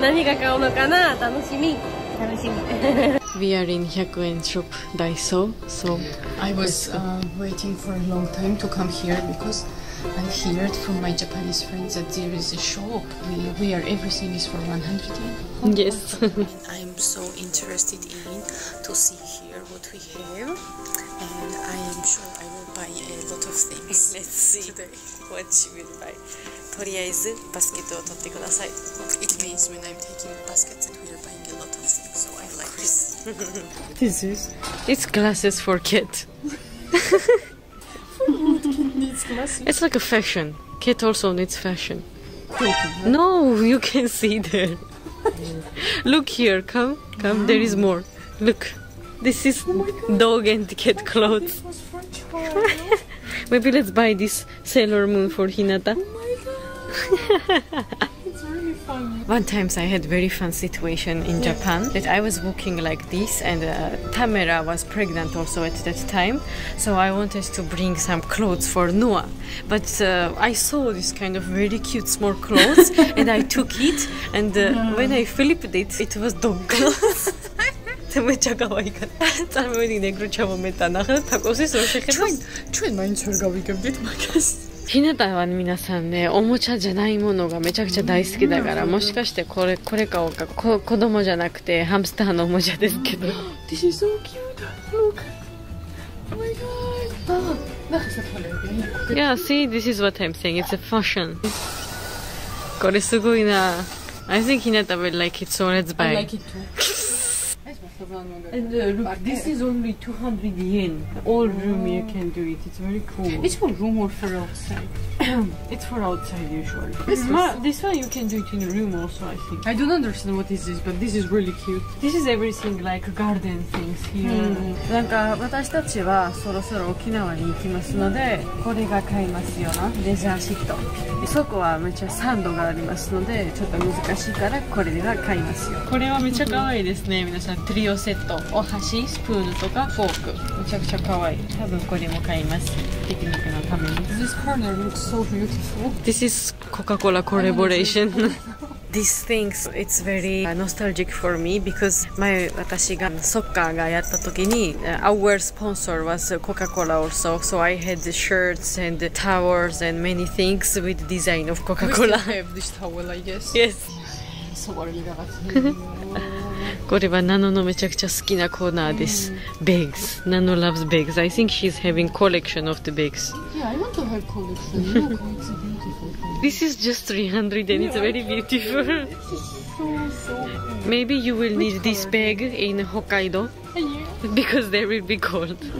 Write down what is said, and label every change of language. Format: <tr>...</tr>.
<ja>何が買うのかな、楽しみ。</ja> <en>We are in 100円 shop Daiso, so I was waiting for a long time to come here because I heard from my Japanese friends that there is a shop where everything is for 100 yen. Yes. I'm so interested in to see here what we have, and I am sure I will buy a lot of things. Let's see today what you will buy.</en> <ja>とりあえずバスケットを取ってください。</ja> <en>It means when I'm taking baskets and we are buying a lot of things. This is it's glasses for kid. It's like a fashion. Kid also needs fashion. No, you can see there. Look here, come. There is more. Look, this is dog and kid clothes. Maybe let's buy this Sailor Moon for Hinata. Oh my god. One time I had very fun situation in Japan that I was walking like this, and Tamera was pregnant also at that time, so I wanted to bring some clothes for Noah, but I saw this kind of very cute small clothes and I took it, and when I flipped it, it was dog clothes.</en> <ja>めっちゃ可愛かった。たまにネクロちゃんもめったなかったコスチューム。ちょい何それが可愛かったマカス。ひなたは皆さんね、おもちゃじゃないものがめちゃくちゃ大好きだから、もしかしてこれ買おうか。子供じゃなくてハムスターのおもちゃですけど。</ja> <en>This is so cute! Look! Oh my god! Yeah, see? This is what I'm saying. It's a fashion.</en> <ja>これすごいな。</ja> <en>I think ひなた will like it, so let's buy. I like it too. And look, this is only 200 yen. All room you can do it. It's very cool. It's for room or for outside? It's for outside usually. This one you can do it in a room also, I think. I don't understand what this is, but this is really cute. This is everything like garden things here.</en> <ja>なんか私たちはそろそろ沖縄に行きますので、これが買いますよな。レジャーシート。そこはめっちゃサンドがありますので、ちょっと難しいからこれが買いますよ。これはめっちゃ可愛いですね、皆さん。トリオセット。お箸、スプーンとかフォーク。めちゃくちゃ可愛い。多分これも買います。ピクニックのために。</ja> <en>This corner looks so beautiful. This is Coca-Cola collaboration. These things, it's very nostalgic for me because</en> <ja>前私がソッカーがやった時に</ja> <en>our sponsor was Coca-Cola also, so I had the shirts and the towels and many things with design of Coca-Cola. We still have this towel, I guess. Yes.</en> <ja>これはナノのめちゃくちゃ好きなコーナーです。</ja> <en>Bags. ナノ loves bags. I think she's having collection of the bags. Yeah, I want to have collection. This is just 300 and it's very beautiful. This is so beautiful. Maybe you will need this bag in Hokkaido because there will be cold.</en>